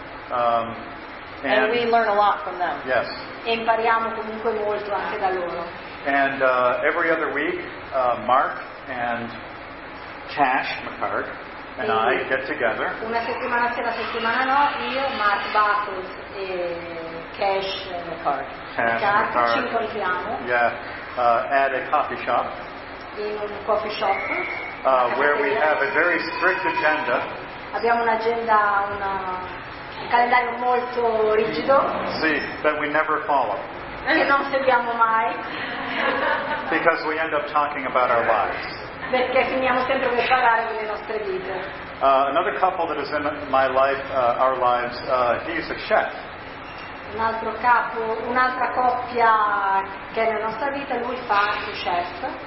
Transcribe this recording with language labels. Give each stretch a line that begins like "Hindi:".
English: And we learn a lot from them. Yes.
Italian: E impariamo comunque molto anche da loro.
English: And every other week, Mark and Cash McCart and I get together.
Italian: Una settimana sera, settimana no, io, Mark Buckles e Cash McCart.
English: Cash McCart.
Italian: Ci incontriamo.
English: Yeah, at a coffee shop.
Italian: In un coffee shop.
English: Where we have a very strict agenda.
Italian: Abbiamo un'agenda, una, un calendario molto rigido.
English: Sì, that we never follow.
Italian: Che non seguiamo mai.
English: Because we end up talking about our lives.
Italian: Perché finiamo sempre per parlare delle nostre vite.
English: Another couple that is in my life, our lives, he's a chef.
Italian: Un altro capo, un'altra coppia che è nella nostra vita, lui fa il chef.